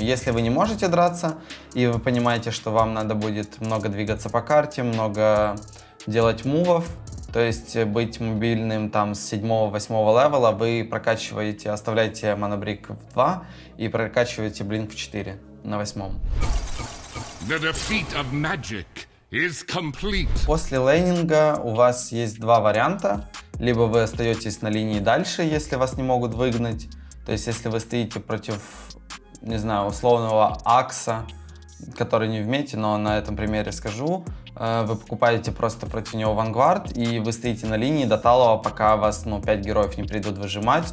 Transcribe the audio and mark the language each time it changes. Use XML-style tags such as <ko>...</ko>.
<ru>Если вы не можете драться и вы понимаете, что вам надо будет много двигаться по карте, много делать мувов, то есть быть мобильным там с 7-8 левела, вы прокачиваете, оставляете монобрик в 2 и прокачиваете блинк в 4 на 8.</ru> <en>The defeat of magic is complete.</en> <ru>После лейнинга у вас есть два варианта. Либо вы остаетесь на линии дальше, если вас не могут выгнать. То есть если вы стоите против, не знаю, условного Акса, который не в мете, но на этом примере скажу. Вы покупаете просто против него вангвард, и вы стоите на линии до талого, пока вас, ну, 5 героев не придут выжимать.</ru>